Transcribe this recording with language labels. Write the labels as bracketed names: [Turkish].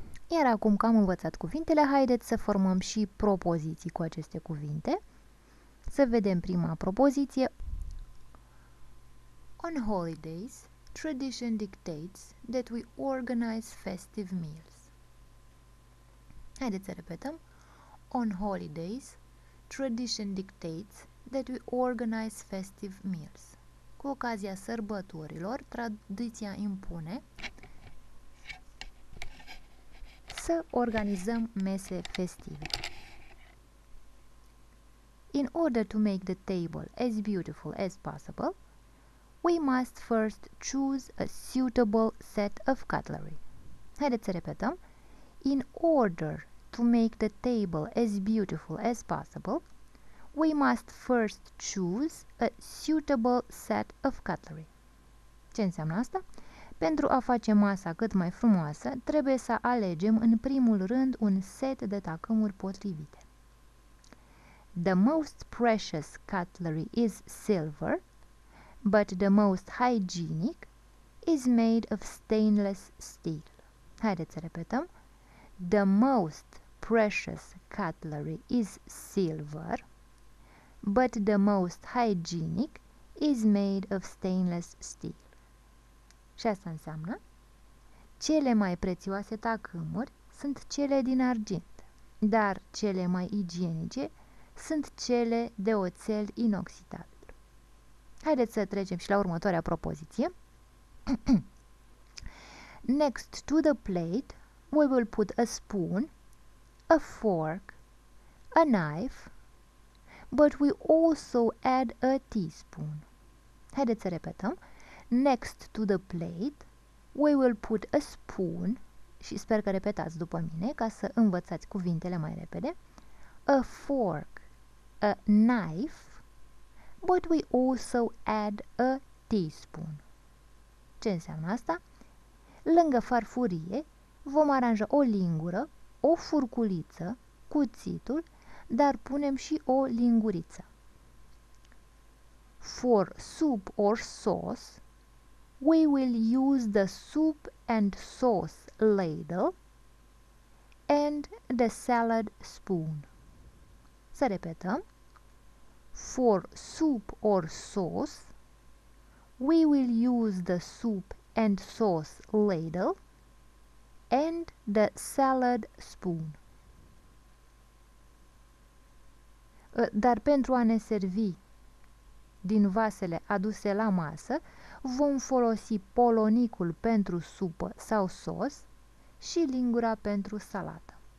[Romanian] Iar acum că am învățat cuvintele, haideți să formăm și propoziții cu aceste cuvinte. Să vedem prima propoziție. [English] On holidays, tradition dictates that we organize festive meals. [Romanian] Haideți să repetăm. [English] On holidays, tradition dictates that we organize festive meals. [Romanian] Cu ocazia sărbătorilor, tradiția impune să organizăm mese festive. [English] In order to make the table as beautiful as possible, we must first choose a suitable set of cutlery. [Romanian] Haideți să repetăm. [English] In order to make the table as beautiful as possible, we must first choose a suitable set of cutlery. [Romanian] Ce înseamnă asta? Pentru a face masa cât mai frumoasă, trebuie să alegem în primul rând un set de tacâmuri potrivite. [English] The most precious cutlery is silver, but the most hygienic is made of stainless steel. [Romanian] Haideți să repetăm. [English] The most precious cutlery is silver, but the most hygienic is made of stainless steel. [Romanian] Și asta înseamnă? Cele mai prețioase tacâmuri sunt cele din argint, dar cele mai igienice sunt cele de oțel inoxidabil. Haideți să trecem și la următoarea propoziție. [English] Next to the plate, we will put a spoon, a fork, a knife, but we also add a teaspoon. [Romanian] Haideți să repetăm. [English] Next to the plate, we will put a spoon, [Romanian] și sper că repetați după mine ca să învățați cuvintele mai repede, [English] a fork, a knife, but we also add a teaspoon. [Romanian] Ce înseamnă asta? Lângă farfurie vom aranja o lingură, o furculiță, cuțitul, dar punem și o linguriță. [English] For soup or sauce, we will use the soup and sauce ladle and the salad spoon. [Romanian] Să repetăm. [English] For soup or sauce, we will use the soup and sauce ladle and the salad spoon. [Romanian] Dar pentru a ne servi din vasele aduse la masă, vom folosi polonicul pentru supă sau sos și lingura pentru salată.